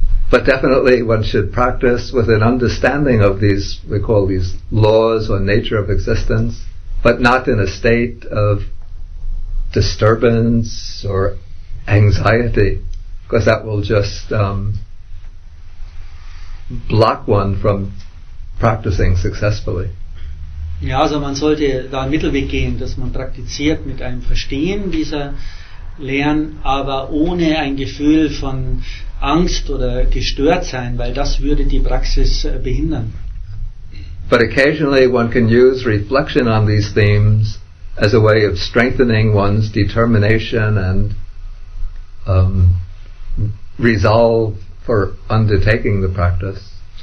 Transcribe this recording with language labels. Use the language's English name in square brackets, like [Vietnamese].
[English] But definitely one should practice with an understanding of these, we call these laws or nature of existence, but not in a state of disturbance or anxiety, because that will just block one from practicing successfully. [German] Ja, also man sollte da einen Mittelweg gehen, dass man praktiziert mit einem Verstehen dieser Lehren, aber ohne ein Gefühl von Angst oder gestört sein, weil das würde die Praxis behindern. [English] But occasionally one can use reflection on these themes as a way of strengthening one's determination and resolve for undertaking the practice.